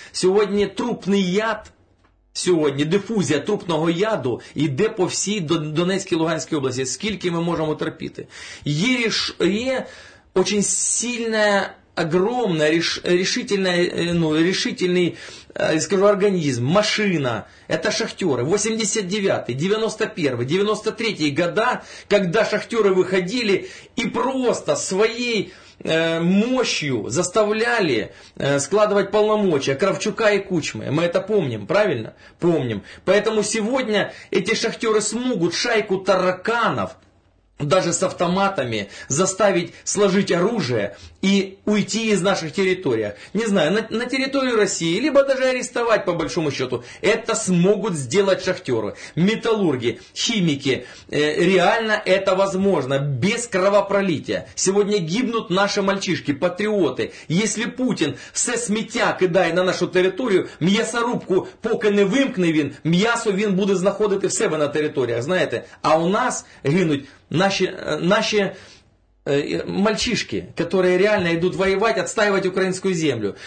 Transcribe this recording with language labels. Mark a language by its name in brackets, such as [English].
[Ukrainian] Сьогодні трупний яд. Сьогодні дифузія трупного яду йде по всій Донецькій, Луганській області. Скільки ми можемо терпіти? Є дуже сильна, огромна, рішительний організм, машина. Це шахтери. 89-й, 91-й, 93-й года, коли шахтери виходили і просто своєю мощью [Russian] заставляли складывать полномочия Кравчука и Кучмы. Мы это помним, правильно? Помним. Поэтому сегодня эти шахтеры смогут шайку тараканов даже с автоматами заставить сложить оружие и уйти из наших территорий. Не знаю, на территорию России, либо даже арестовать по большому счету. Это смогут сделать шахтеры, металлурги, химики. Реально это возможно, без кровопролития. Сегодня гибнут наши мальчишки, патриоты. Если Путин все [Ukrainian] сміття кидає на нашу территорию, м'ясорубку поки не вимкне він, м'ясо він буде знаходити в себе на територіях, знаєте. А у нас гинуть... Наші мальчишки, які реально йдуть воювати, відстоювати українську землю.